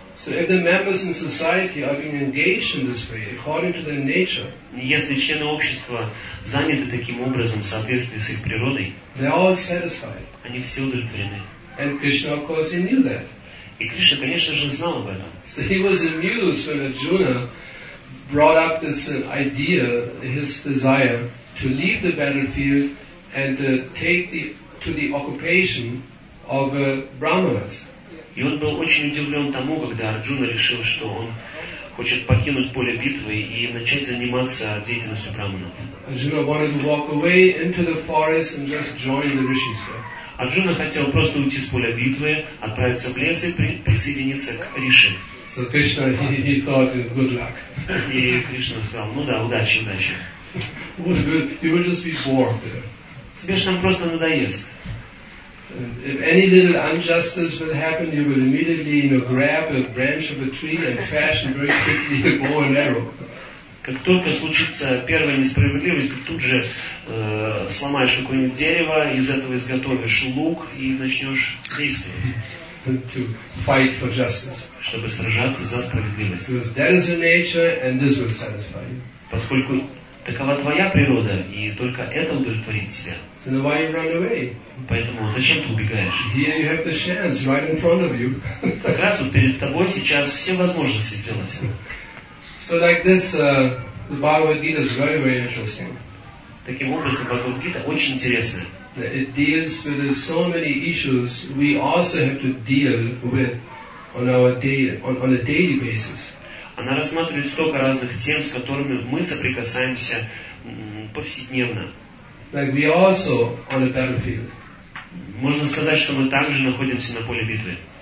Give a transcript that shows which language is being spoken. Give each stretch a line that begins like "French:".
English: So if the members in society are being engaged in this way, according to their nature.
Russian: Если члены общества заняты таким образом в соответствии с их природой.
English: They are all satisfied.
Russian: Они все удовлетворены.
English: And Krishna, of course, he knew that.
Russian: И Кришна, конечно же, знал об этом.
English: So he was amused when Arjuna brought up this idea, his desire to leave the battlefield and to the occupation of brahmanas.
Russian: И он был очень удивлен тому, когда Арджуна решил, что он хочет покинуть поле битвы и начать заниматься деятельностью брахманов.
English: Arjuna wanted to walk away into the forest and just join the rishis.
Russian: Арджуна хотел просто уйти с поля битвы, отправиться в лес и присоединиться к Риши.
English: So Krishna, he thought, good luck.
Russian: И Кришна сказал, ну да, удачи, удачи.
English: What good, you will just be bored there.
Russian: Тебе же там просто надоест.
English: If any little injustice will happen, you will immediately, you know, grab a branch of a tree and fashion very quickly a bow and arrow.
Russian: Как только случится первая несправедливость, ты тут же сломаешь какое-нибудь дерево, из этого изготовишь лук и начнешь действовать.
English: To fight for justice.
Russian: Чтобы сражаться за справедливость.
English: Because that is your nature and this will satisfy you.
Russian: Поскольку такова твоя природа, и только это удовлетворит тебя.
English: So then why you run away?
Russian: Поэтому зачем ты убегаешь?
English: Here you have the chance right in front of you.
Russian: Как раз вот перед тобой сейчас все возможности сделать.
English: So like this, the Bhagavad Gita is very, very interesting.
Russian: Таким образом, Бхагавад Гита очень интересная.
English: It deals with so many issues we also have to deal with on a daily basis.
Russian: Она рассматривает столько разных тем, с которыми мы соприкасаемся повседневно.
English: Like we also on a battlefield.
Russian: Можно сказать, что мы также находимся на поле битвы.